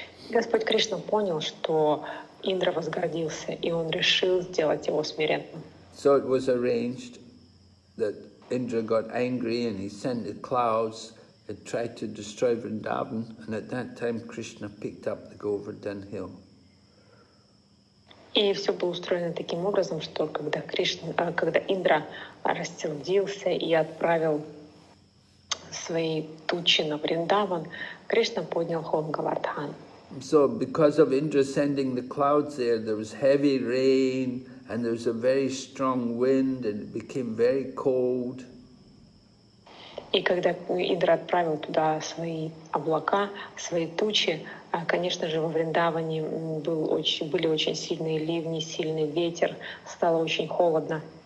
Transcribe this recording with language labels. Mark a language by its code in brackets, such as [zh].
[ru] Господь Кришна понял, что Индра возгордился, и он решил сделать его смиренным. [en] So it was arranged that Indra got angry and he sent the clouds and tried to destroy Vrindavan, and at that time Krishna picked up the Govardhan hill. [ru] И все было устроено таким образом, что когда Индра рассердился и отправил свои тучи на Вриндаван, Кришна поднял холм Говардхан. [en] So because of Indra sending the clouds there, there was heavy rain and there was a very strong wind and it became very cold. [ru] И когда Индра отправил туда свои облака, свои тучи, конечно же, во Вриндаване были очень сильные ливни, сильный ветер, стало очень холодно.